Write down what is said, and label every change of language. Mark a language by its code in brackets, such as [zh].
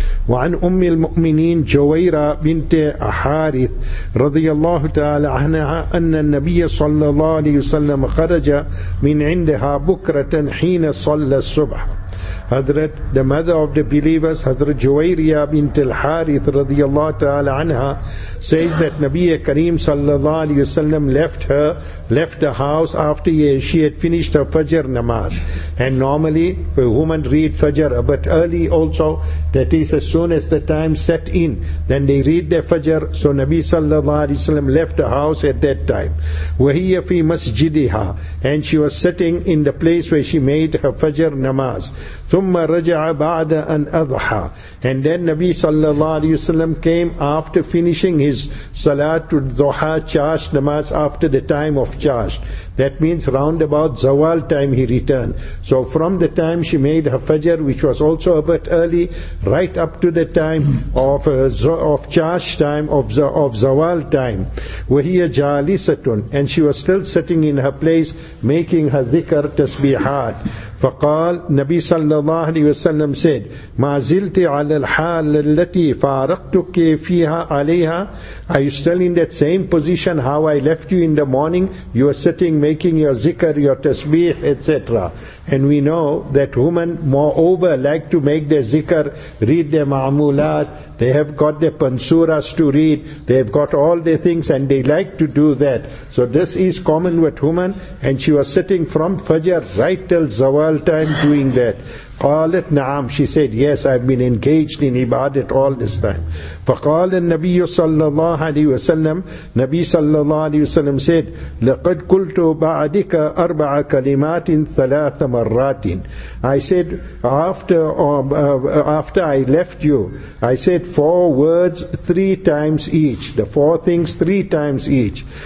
[ar] وعن أم المؤمنين جويرة بنت حارث رضي الله تعالى عنها أن النبي صلى الله عليه وسلم خرج من عندها بكرة حين صلى الصبح. [en] Hazrat, the mother of the believers, Hazrat Juwayriya bint al-Harith radiyallahu ta'ala anha, says that Nabiya Kareem sallallahu alayhi wa sallam left the house after she had finished her Fajr namaz. And normally, a woman read Fajr, but early also, that is as soon as the time set in, then they read their Fajr, so Nabi sallallahu alayhi wa sallam left the house at that time. [ar] وَهِيَ فِي مَسْجِدِهَا. [en] And she was sitting in the place where she made her Fajr namaz. [ar] ثم رجع بعد أن أضحى. [en] And then Nabi sallallahu alayhi wa sallam came after finishing his salat to dhuha chashed namaz after the time of chashed. That means round about zawal time he returned. So from the time she made her fajr, which was also a bit early, right up to the time of chash time, of zawal time. [ar] وَهِيَ جَالِسَةٌ. [en] And she was still sitting in her place, making her dhikr tasbihat. [ar] فقال نبي صلى الله عليه وسلم said ما زلت على الحال التي فارقتك فيها عليها. [en] Are you still in that same position how I left you in the morning? You are sitting making your zikr, your tasbih, etc. And we know that women moreover like to make their zikr, read their ma'amulat, they have got their pansuras to read, they have got all their things and they like to do that. So this is common with women, and she was sitting from Fajr right till Zawal time doing that. [ar] قالت نعم, [en] she said, yes, I've been engaged in ibadat all this time. [ar] فقال النبي صلى الله عليه وسلم, نبي صلى الله عليه وسلم said, لقد قلت بعدك أربع كلمات ثلاث مرات. [en] I said, after I left you, I said four words three times each, the four things three times each.